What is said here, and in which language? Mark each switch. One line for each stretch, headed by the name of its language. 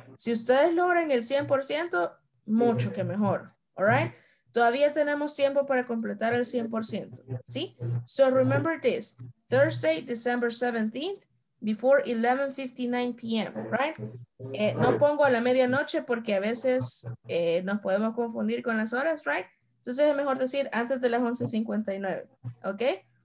Spanish: Si ustedes logran el 100%, mucho que mejor, ¿all right? Todavía tenemos tiempo para completar el 100%, ¿sí?
English: So remember this, Thursday, December 17th, before 11:59 p.m., right?
Spanish: No pongo a la medianoche porque a veces nos podemos confundir con las horas, right? Entonces es mejor decir antes de las 11:59, okay?